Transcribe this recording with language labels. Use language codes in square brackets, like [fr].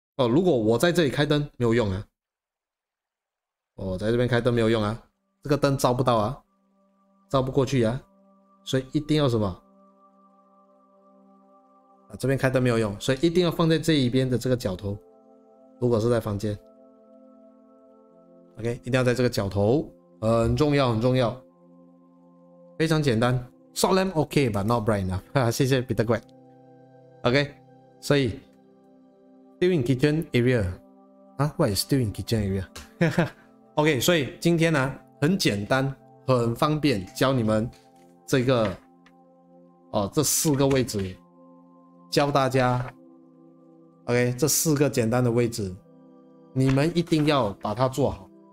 [zh] 如果我在这里开灯没有用啊，我在这边开灯没有用啊，这个灯照不到啊，照不过去啊，所以一定要什么啊，这边开灯没有用，所以一定要放在这一边的这个角头。如果是在房间 OK， 一定要在这个角头，很重要很重要，非常简单。 [en] Short lamp OK but not bright enough。 [zh] 谢谢 [en] Peter Greg。 OK， [zh] 所以 [en] Still in kitchen area [zh] 啊 [en] ？What is still in kitchen area？ [zh] OK， 所以今天呢、啊，很简单，很方便，教你们这个哦，这四个位置，教大家。 OK， 这四个简单的位置，你们一定要把它做好。